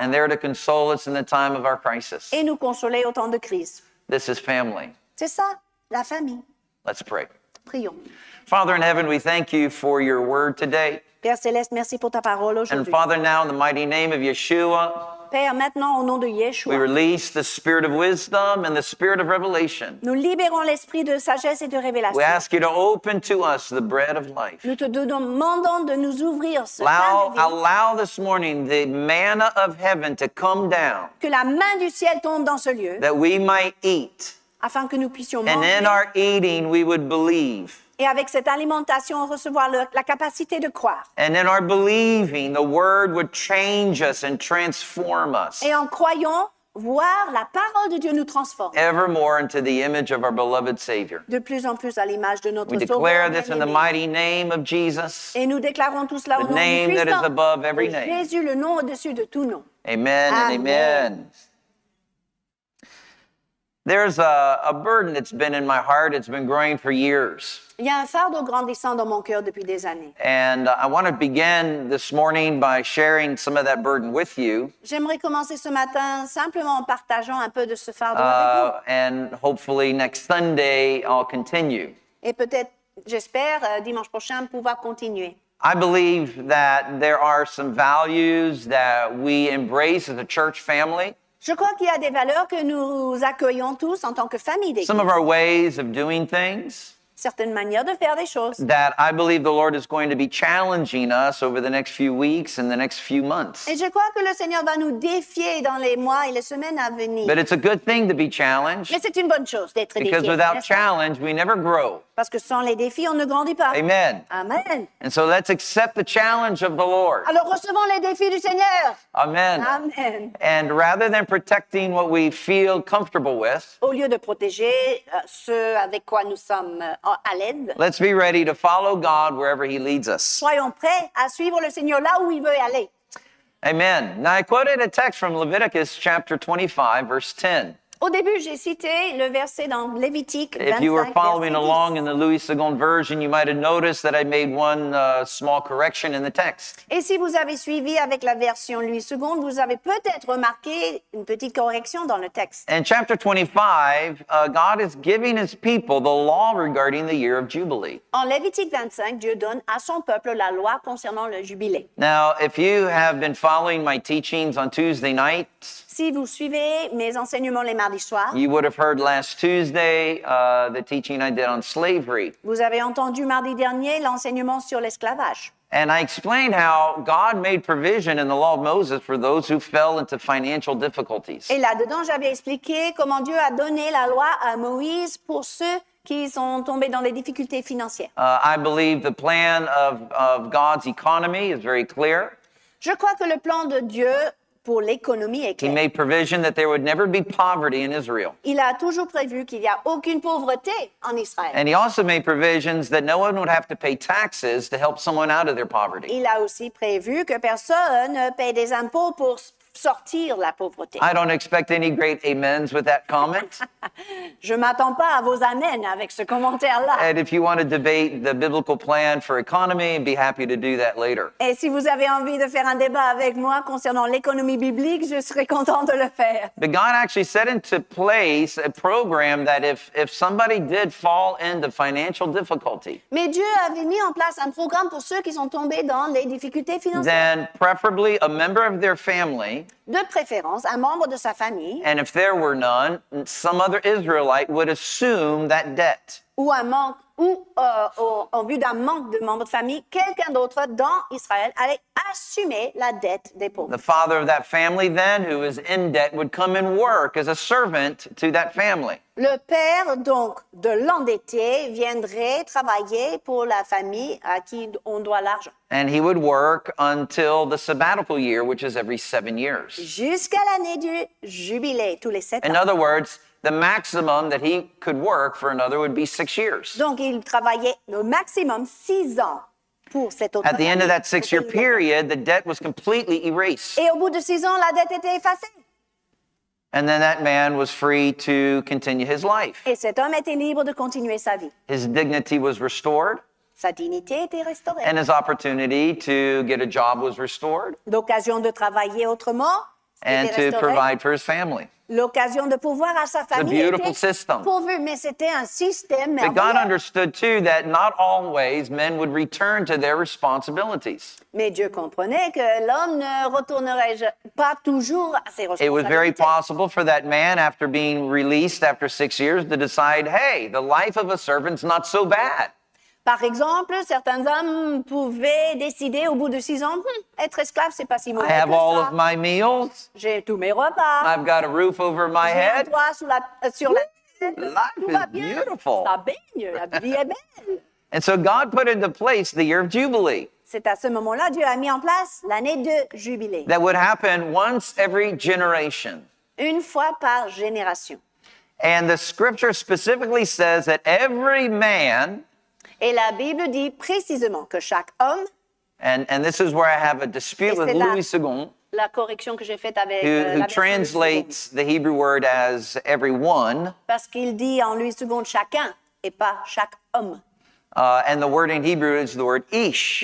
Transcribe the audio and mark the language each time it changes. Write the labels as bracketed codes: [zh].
[en] And there to console us in the time of our crisis. [fr] Et nous consoler au temps de crise. [en] This is family. [fr] C'est ça, la famille. [en] Let's pray. [fr] Prions. [en] Father in heaven, we thank you for your word today. [fr] Père céleste, merci pour ta parole aujourd'hui. [en] And Father, now in the mighty name of Yeshua. [fr] Père, maintenant au nom de Yeshua. [en] We release the spirit of wisdom and the spirit of revelation. [fr] Nous libérons l'esprit de sagesse et de révélation. [en] We ask you to open to us the bread of life. [fr] Nous te demandons de nous ouvrir ce [en] allow, [fr] pain de vie. [en] Allow this morning the manna of heaven to come down. [fr] Que la main du ciel tombe dans ce lieu. [en] That we might eat. [fr] Afin que nous puissions [en] and [fr] manger. [en] In our eating, we would believe. [fr] Et avec cette alimentation, recevoir la capacité de croire. [en] And in our believing, the word would change us and transform us. [fr] Et en croyant, voir la parole de Dieu nous transforme. [en] Evermore into the image of our beloved Savior. [fr] De plus en plus à l'image de notre Sauveur. [en] We declare this in the mighty name of Jesus. [fr] Et nous déclarons tout cela au nom du Christ. [en] That is above every name. [fr] Jésus, le nom au-dessus de tout nom. [en] Amen and amen. Amen. There's a burden that's been in my heart. It's been growing for years. [fr] Il y a un fardeau grandissant dans mon cœur depuis des années. [en] And I want to begin this morning by sharing some of that burden with you. [fr] J'aimerais commencer ce matin simplement en partageant un peu de ce fardeau avec vous. [en] And hopefully next Sunday I'll continue. [fr] Et peut-être, j'espère, dimanche prochain pouvoir continuer. [en] I believe that there are some values that we embrace as a church family. [fr] Je crois qu'il y a des valeurs que nous accueillons tous en tant que famille. [en] Some of our ways of doing things. [fr] Certaines manières de faire des choses. [en] That I believe the Lord is going to be challenging us over the next few weeks and the next few months. [fr] Et je crois que le Seigneur va nous défier dans les mois et les semaines à venir. [en] But it's a good thing to be challenged. [fr] Mais c'est une bonne chose d'être défié. [en] Because without challenge, we never grow. [fr] Parce que sans les défis, on ne grandit pas. [en] Amen. [fr] Amen. [en] And so let's accept the challenge of the Lord. [fr] Alors recevons les défis du Seigneur. [en] Amen. [fr] Amen. [en] And rather than protecting what we feel comfortable with, [fr] au lieu de protéger ce avec quoi nous sommes à l'aide, [en] let's be ready to follow God wherever He leads us. [fr] Soyons prêts à suivre le Seigneur là où il veut aller. [en] Amen. Now I quoted a text from Leviticus chapter 25, verse 10. [fr] Au début, j'ai cité le verset dans Lévitique [en] 25. If you were following along in the Louis II version, you might have noticed that I made one small correction in the text. [fr] Et si vous avez suivi avec la version Louis II, vous avez peut-être remarqué une petite correction dans le texte. [en] In chapter 25, God is giving his people the law regarding the year of Jubilee. [fr] En Lévitique 25, Dieu donne à son peuple la loi concernant le jubilé. [en] Now, if you have been following my teachings on Tuesday night, [fr] si vous suivez mes enseignements les mardis soirs, [en] you would have heard last Tuesday the teaching I did on slavery. [fr] Vous avez entendu mardi dernier l'enseignement sur l'esclavage. [en] And I explained how God made provision in the law of Moses for those who fell into financial difficulties. [fr] Et là-dedans, j'avais expliqué comment Dieu a donné la loi à Moïse pour ceux qui sont tombés dans les difficultés financières. [en] I believe the plan of God's economy is very clear. [fr] Je crois que le plan de Dieu pour l'économie est clair. [en] He made provision that there would never be poverty in Israel. [fr] Il a toujours prévu qu'il n'y a aucune pauvreté en Israël. [en] And he also made provisions that no one would have to pay taxes to help someone out of their poverty. [fr] Il a aussi prévu que personne ne paye des impôts pour sortir la pauvreté. [en] I don't expect any great amens with that comment. [fr] Je m'attends pas à vos amens avec ce commentaire-là. [en] And if you want to debate the biblical plan for economy, I'd be happy to do that later. [fr] Et si vous avez envie de faire un débat avec moi concernant l'économie biblique, je serai content de le faire. [en] But God actually set into place a program that if somebody did fall into financial difficulty. [fr] Mais Dieu avait mis en place un programme pour ceux qui sont tombés dans les difficultés financières. [en] Then preferably a member of their family. [fr] De préférence, un membre de sa famille. [en] And if there were none, some other Israelite would assume that debt. [fr] Ou en vue d'un manque de membres de famille, quelqu'un d'autre dans Israël allait assumer la dette des pauvres. [en] The father of that family then, who is in debt, would come and work as a servant to that family. [fr] Le père, donc, de l'endetté viendrait travailler pour la famille à qui on doit l'argent. [en] And he would work until the sabbatical year, which is every 7 years. [fr] Jusqu'à l'année du jubilé, tous les 7 ans. [en] In other words, the maximum that he could work for another would be 6 years. [fr] Donc, il travaillait le maximum 6 ans pour cette autre année. [en] At the end of that 6-year period, the debt was completely erased. [fr] Et au bout de 6 ans, la dette était effacée. [en] And then that man was free to continue his life. [fr] Et cet homme était libre de continuer sa vie. [en] His dignity was restored. [fr] Sa dignité était restaurée. [en] And his opportunity to get a job was restored. [fr] L'occasion de travailler autrement était restaurée. [en] And to provide for his family. [fr] L'occasion de pourvoir à sa famille était pourvue, mais c'était un système merveilleux. [en] But God understood too that not always men would return to their responsibilities. [fr] Mais Dieu comprenait que l'homme ne retournerait pas toujours à ses responsabilités. [en] It was very possible for that man, after being released after 6 years, to decide, hey, the life of a servant's not so bad. [fr] Par exemple, certains hommes pouvaient décider au bout de 6 ans, être esclave, c'est pas si mauvais que ça. [en] I have all of my meals. [fr] J'ai tous mes repas. [en] I've got a roof over my head. [fr] J'ai un toit sur la tête. [en] Life is beautiful. [fr] Ça baigne, la vie est belle. [en] And so God put into place the year of Jubilee. [fr] C'est à ce moment-là, Dieu a mis en place l'année de Jubilée. [en] That would happen once every generation. [fr] Une fois par génération. [en] And the scripture specifically says that every man. [fr] Et la Bible dit précisément que chaque homme. [en] And this is where I have a dispute with Louis II. [fr] La correction que j'ai faite avec. [en] Who translates II, the Hebrew word as everyone. [fr] Parce qu'il dit en Louis II chacun et pas chaque homme. [en] And the word in Hebrew is the word ish.